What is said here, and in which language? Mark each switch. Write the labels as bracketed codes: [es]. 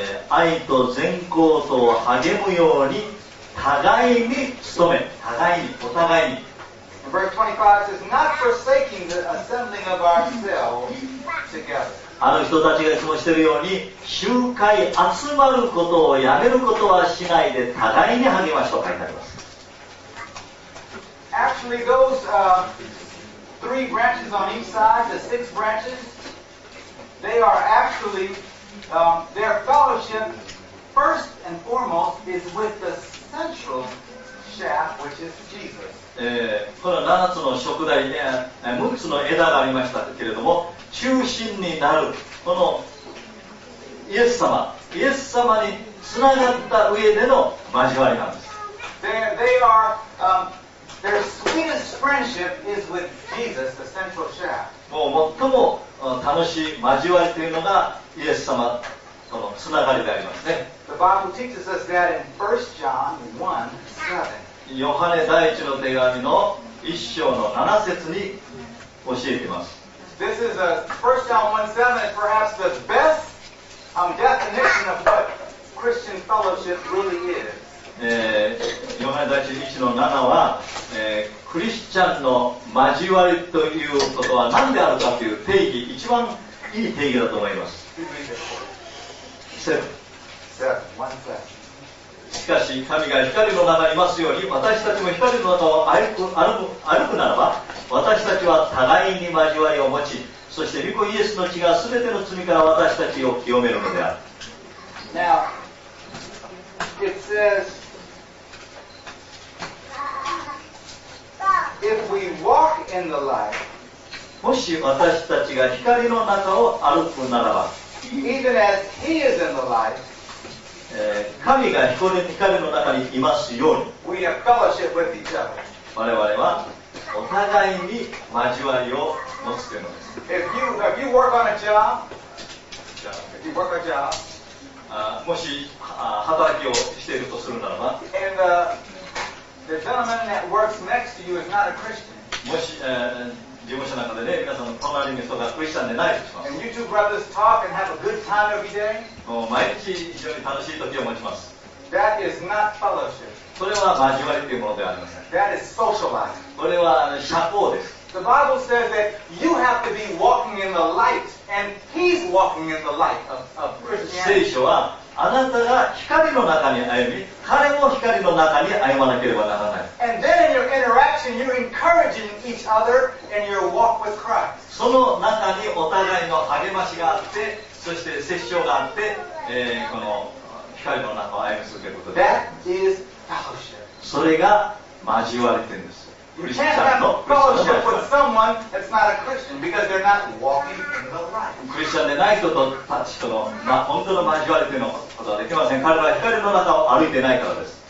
[ja] 愛と善行と励むように互いに努め、互いに、お互いに。 [en] Verse 25 says, not forsaking the assembling of ourselves together. [ja] あの人たちがいつもしているように、集会、集まることをやめることはしないで、互いに励ましと書いてあります。 [en] Actually, those three branches on each side, the six branches, they are actually, their fellowship, first and foremost, is with the central shaft, which is Jesus. [ja] この7つの植台で6つの枝がありましたけれども中心になるこのイエス様、イエス様につながった上での交わりなんです。 [en] they are, their sweetest friendship is with Jesus, the central shaft. [ja] もう最も楽しい交わりというのがイエス様とのつながりでありますね。 [en] The Bible teaches us that in 1 John 1:7 [ja] ヨハネ第一の手紙の一章の七節に教えています。 [en] This is a 1 John 1:7, perhaps the best definition of what Christian fellowship really is. [ja] ヨハネ第一の七は、クリスチャンの交わりということは何であるかという定義、一番いい定義だと思います。 [en] 7:1. [ja] しかし神が光の中にいますように私たちも光の中を歩くならば私たちは互いに交わりを持ちそして御子イエスの血が全ての罪から私たちを清めるのである。 [en] Now it says if we walk in the light [ja] もし私たちが光の中を歩くならば [en] even as he is in the light [ja] 神が光の中にいますように [en] We have fellowship with each other. [ja] 我々はお互いに交わりを持つというのです。 [en] If you work on a job, if you work a job, [ja] もし働きをしているとするならば [en] And, the gentleman that works next to you is not a Christian. [ja] もし事務所の中でね、皆さんの隣の人がクリスチャンでないとします。 [en] And you two brothers talk and have a good time every day? [ja] もう毎日非常に楽しい時を持ちます。 [en] That is not fellowship. [ja] それは交わりというものではありません。 [en] That is socializing. [ja] それは社交です。 [en] The Bible says that you have to be walking in the light and he's walking in the light of Christianity. [ja] 聖書はあなたが光の中に歩み、彼も光の中に歩まなければならない。 [en] And then in your interaction, you're encouraging each other in your walk with Christ. [ja] その中にお互いの励ましがあって、そして接触があって、この光の中を歩み続けることです。 [en] That is fellowship. [ja] それが交わりというんです。 [en] You can't have fellowship with someone that's not a Christian because they're not walking in the light. [ja] クリスチャンでない人とたちとの、まあ、本当の交わりというのことはできません。彼らは光の中を歩いてないからです。